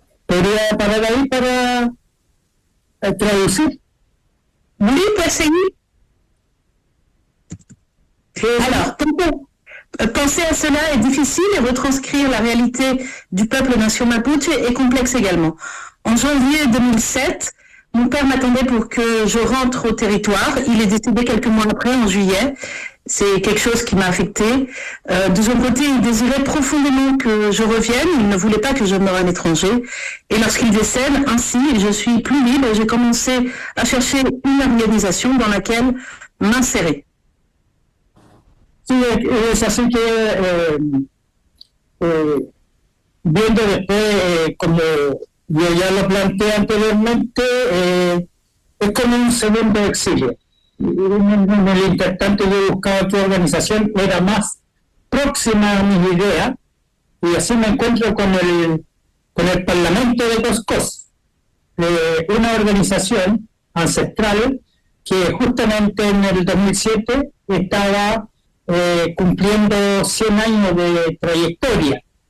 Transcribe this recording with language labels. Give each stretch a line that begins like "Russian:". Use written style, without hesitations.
Spanish: ¿Podría parar ahí para traducir? Sí, pues sí.
French: Alors, pour penser à cela est difficile et retranscrire la réalité du peuple nation Mapuche est complexe également. En janvier 2007, mon père m'attendait pour que je rentre au territoire. Il est décédé quelques mois après, en juillet. C'est quelque chose qui m'a affectée. De son côté, il désirait profondément que je revienne. Il ne voulait pas que je meure à l'étranger. Et lorsqu'il décède, ainsi, je suis plus libre et j'ai commencé à chercher une organisation dans laquelle m'insérer.
Spanish: Sí, es así que viendo después, como yo ya lo planteé anteriormente, es como un segundo exilio. En el intercambio yo buscaba qué organización era más próxima a mis ideas, y así me encuentro con el Parlamento de Coscos, una organización ancestral que justamente en el 2007 estaba cumpliendo 100 años de trayectoria.